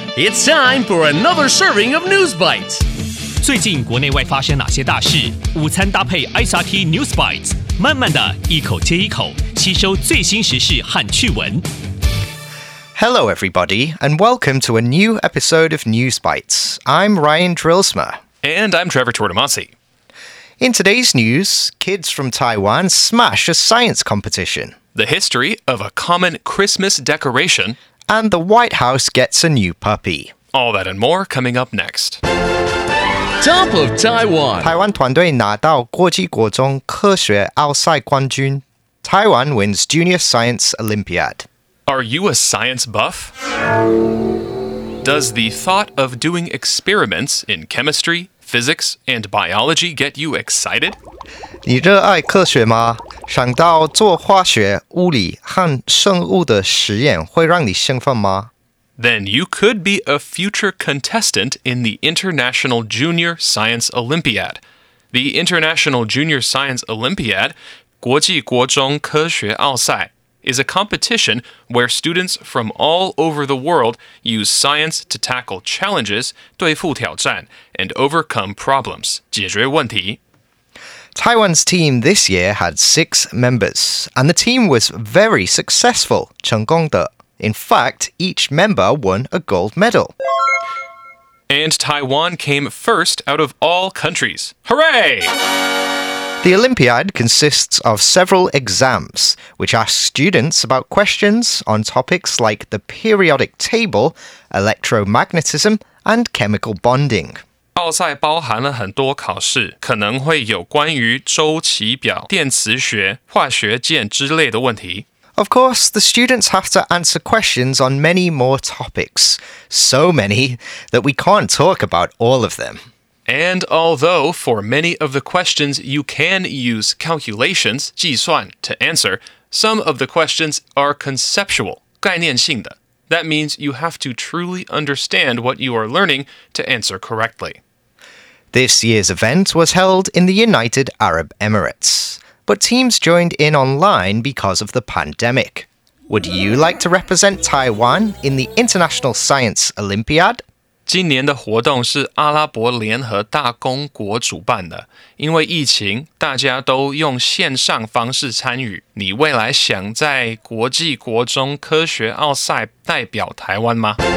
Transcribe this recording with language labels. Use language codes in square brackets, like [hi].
[en] It's time for another serving of News Bites. [zh] 最近国内外发生哪些大事？午餐搭配 SRT News Bites， 慢慢的一口接一口，吸收最新时事和趣闻。 [en] Hello, everybody, and welcome to a new episode of News Bites. I'm Ryan Drilsma. And I'm Trevor Tortomasi. In today's news, kids from Taiwan smash a science competition. The history of a common Christmas decoration. And the White House gets a new puppy. All that and more coming up next. Top of Taiwan. [zh] 台湾团队拿到国际国中科学奥赛冠军。 [en] Taiwan wins Junior Science Olympiad. Are you a science buff? Does the thought of doing experiments in chemistry, physics, and biology get you excited? [zh] 你热爱科学吗？想到做化学、物理和生物的实验会让你兴奋吗？ [en] Then you could be a future contestant in the International Junior Science Olympiad. The International Junior Science Olympiad, 国际国中科学奥赛。 Is a competition where students from all over the world use science to tackle challenges, 对付挑战, and overcome problems, 解决问题。 Taiwan's team this year had 6 members, and the team was very successful, 成功的。 In fact, each member won a gold medal. And Taiwan came first out of all countries. Hooray! The Olympiad consists of several exams, which ask students about questions on topics like the periodic table, electromagnetism, and chemical bonding. [zh] 奥赛包含了很多考试，可能会有关于周期表、电磁学、化学键之类的问题。 [en] Of course, the students have to answer questions on many more topics, so many that we can't talk about all of them. And although for many of the questions you can use calculations, 计算, to answer, some of the questions are conceptual, 概念性的. That means you have to truly understand what you are learning to answer correctly. This year's event was held in the United Arab Emirates, but teams joined in online because of the pandemic. Would you like to represent Taiwan in the International Science Olympiad? [zh] 今年的活动是阿拉伯联合大公国主办的，因为疫情，大家都用线上方式参与。你未来想在国际国中科学奥赛代表台湾吗